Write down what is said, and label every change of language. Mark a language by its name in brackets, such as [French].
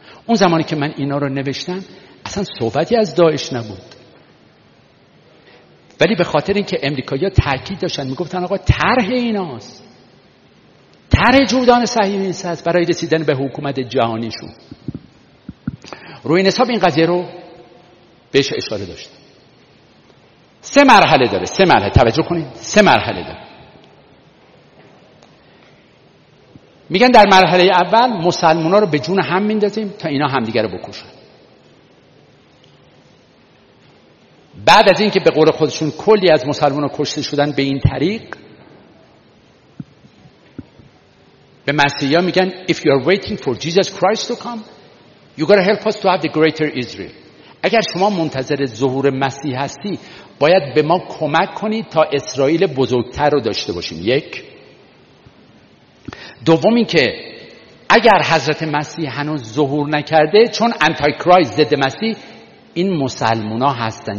[Persian] اون زمانی که من اینا رو نوشتم اصلا صحبتی از داعش نبود، ولی به خاطر اینکه امریکایی‌ها تاکید داشتن میگفتن آقا طرح ایناست، طرح جودان صهیونیست هست برای رسیدن به حکومت جهانیشون، روی حساب این قضیه رو بهش اشاره داشتن. 3 مرحله داره، 3 مرحله توجه کنید، 3 مرحله داره. میگن در مرحله اول مسلمان‌ها رو به جون هم میندازیم تا اینا همدیگر رو بکشن. بعد از اینکه به قول خودشون کلی از مسلمان‌ها کشته شدن به این طریق، به مسیحی‌ها میگن [English] If you are waiting for Jesus Christ to come, you gotta help us to have the greater Israel. [Persian] اگر شما منتظر ظهور مسیح هستی باید به ما کمک کنید تا اسرائیل بزرگتر رو داشته باشیم. یک. دوم این که اگر حضرت مسیح هنوز ظهور نکرده، چون انتای کرایست ضد مسیح، این مسلمونا هستن.